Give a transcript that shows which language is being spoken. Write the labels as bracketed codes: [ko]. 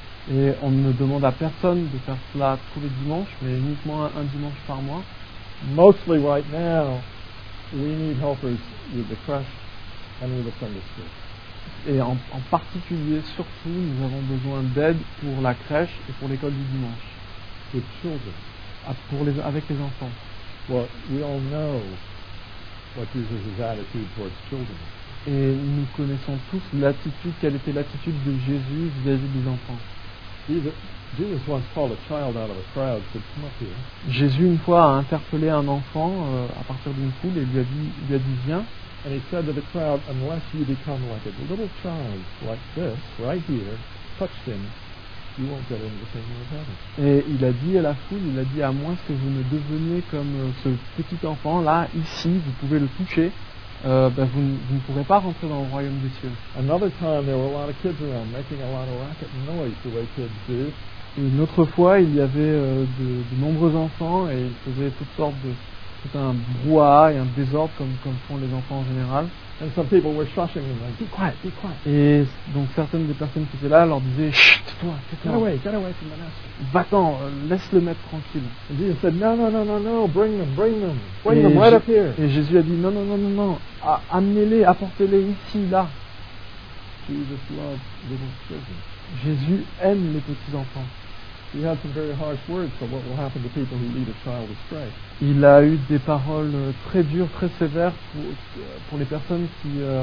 [fr] Et on ne demande à personne de faire cela tous les dimanches, mais uniquement un dimanche par mois. [en] Mostly right now, we need helpers with the crash. And with the Sunday school. [fr] Et en particulier, surtout, nous avons besoin d'aide pour la crèche et pour l'école du dimanche. [en] With children. [fr] pour les, avec les enfants. [en] Well, we all know what Jesus' attitude towards children. [fr] Et nous connaissons tous l'attitude, quelle était l'attitude de Jésus vis-à-vis des enfants. [en] Jesus once called a child out of a crowd, said, "Come up here." [fr] Jésus une fois a interpellé un enfant à partir d'une foule et lui a dit, viens. [en] And he said to the crowd, "Unless you become like a little child, like this right here, touched him, you won't get into the kingdom of heaven." [fr] Et il a dit à la foule, il a dit, à moins que vous ne deveniez comme ce petit enfant là, ici, vous pouvez le toucher. Ben vous ne pourrez pas rentrer dans le royaume des cieux. [en] Another time there were a lot of kids around making a lot of racket and noise the way kids do. [fr] Une autre fois il y avait de nombreux enfants et ils faisaient toutes sortes de tout un brouhaha et un désordre comme font les enfants en général. [en] And some people were shushing them, like, "Be quiet, be quiet." [fr] Et donc certaines des personnes qui étaient là leur disaient, "Chut, toi, tais-toi. [en] Get away from the master. [fr] Va-t'en, laisse le maître tranquille." [en] And Jesus said, no, bring them, right up here. [fr] Et Jésus a dit, non, amenez-les, apportez-les ici, là. [en] Jesus loved little children. [fr] Jésus aime les petits enfants. [en] He had some very harsh words for what will happen to people who lead a child astray. [fr] Il a eu des paroles très dures, très sévères pour les personnes qui